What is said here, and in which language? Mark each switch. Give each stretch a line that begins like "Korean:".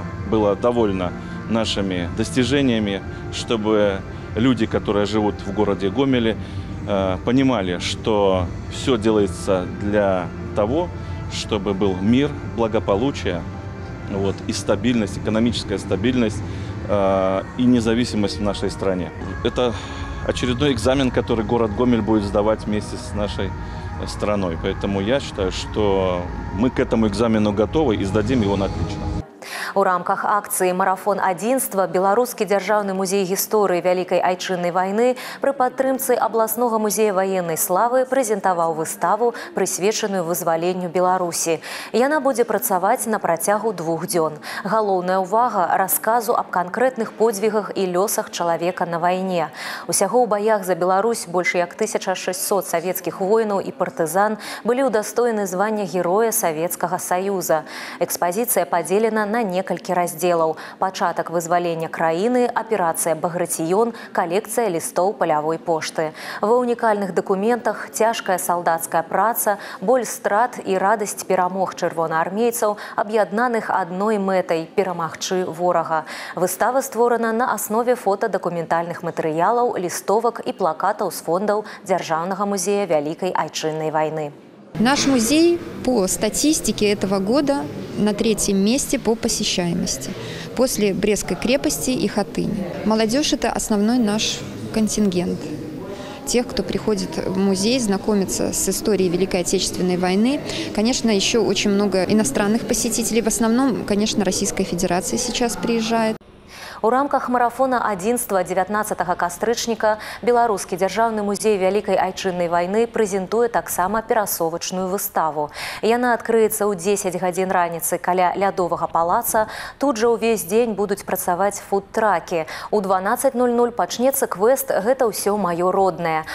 Russian: было довольно нашими достижениями, чтобы люди, которые живут в городе Гомеле, понимали, что все делается для того, чтобы был мир, благополучие, вот, и стабильность, экономическая стабильность и независимость в нашей стране. Это очередной экзамен, который город Гомель будет сдавать вместе с нашей страной. Поэтому я считаю, что мы к этому экзамену готовы и сдадим его на отлично.
Belarusian: У рамках акции «Марафон адзінства» Беларускі дзяржаўны музей гісторыі Вялікай Айчыннай вайны пры падтрымцы абласнога музея ваеннай славы прэзентаваў выставу, прысвечаную вызваленню Беларусі. Яна будзе працаваць на працягу 2 дзён. Галоўная ўвага – расказу аб канкрэтных подзвігах і лёсах чалавека на вайне. Усяго ў баях за Беларусь больш як 1600 савецкіх воінаў і партызан былі ўдастоены звання Героя Савецкага Саюза. Экспазіцыя падзелена на некалькі раздзелаў: пачатак вызвалення краіны, аперацыя «Багратіён», калекцыя лістоў палявой пошты. Ва ўнікальных дакументах цяжкая салдацкая праца, боль страт і радасць перамог чырвонаармейцаў, аб'яднаных адной мэтай – перамагчы ворага. Выстава створана на аснове фотадакументальных матэрыялаў, лістовак і плакатаў з фондаў Дзяржаўнага музея Вялікай Айчыннай вайны.
Russian: Наш музей по статистике этого года на 3-м месте по посещаемости, после Брестской крепости и Хатыни. Молодежь – это основной наш контингент. Тех, кто приходит в музей, знакомится с историей Великой Отечественной войны. Конечно, еще очень много иностранных посетителей. В основном, конечно, Российская Федерация сейчас приезжает.
Belarusian: У рамках марафона «Адзінства» 19 кастрычніка Беларускі дзяржаўны музей Вялікай Айчыннай вайны прэзентуе таксама перасовачную выставу. Яна адкрыецца ў 10 гадзін раніцы каля Лядовага палаца. Тут жа ўвесь дзень будуць працаваць фуд-тракі. У 12.00 пачнецца квест «Гэта ўсё маё роднае».